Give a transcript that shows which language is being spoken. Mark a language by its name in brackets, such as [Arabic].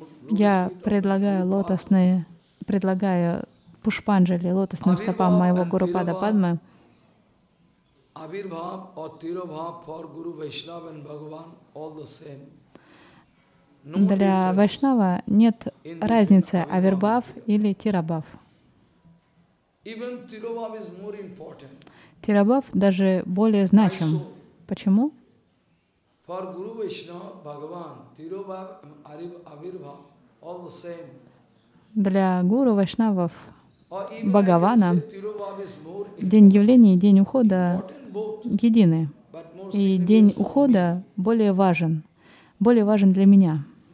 [Russian] Я предлагаю пушпанджали лотосным стопам моего Гурупада Падмы. [English] Abhirbhav or Tirabhav for Guru Vaishnava and Bhagavan all the same. [Russian] Для Вайшнава нет разницы Авирбхав или Тирабхав. [English] Even Tirabhav is more important. [Russian] Тирабхав даже более значим. Почему? [English] For Guru Vaishnava Bhagavan, Tirabhav and Abhirbhav all the same. [Russian] Для Гуру Вайшнавов Бхагавана день явления и день ухода едины. И день ухода более важен для меня.